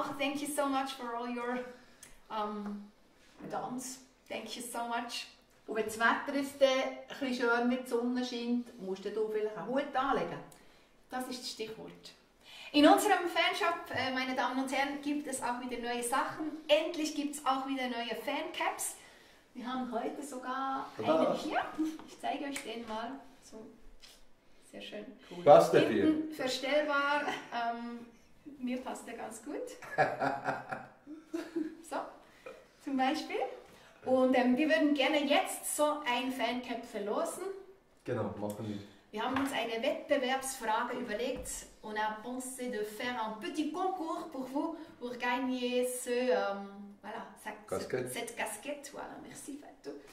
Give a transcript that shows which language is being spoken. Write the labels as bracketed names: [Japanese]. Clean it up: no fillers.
[English] Thank you so much for all your dance. Thank you so much. [German] Und wenn das Wetter ist dann ein schön mit Sonne scheint, musst du vielleicht einen Hut anlegen. Das ist das Stichwort. In unserem Fanshop, meine Damen und Herren, gibt es auch wieder neue Sachen. Endlich gibt es auch wieder neue Fancaps. Wir haben heute sogar einen hier. Ich zeige euch den mal. So. Sehr schön. Cool. Passt der dir? Verstellbar. Mir passt der ganz gut. So, zum Beispiel. Und wir würden gerne jetzt so ein Fancap verlosen. Genau, machen wir. Wir haben uns eine Wettbewerbsfrage überlegt. [French] On a pensé de faire un petit concours pour vous, pour gagner cette casquette. Voilà, merci, Fatou.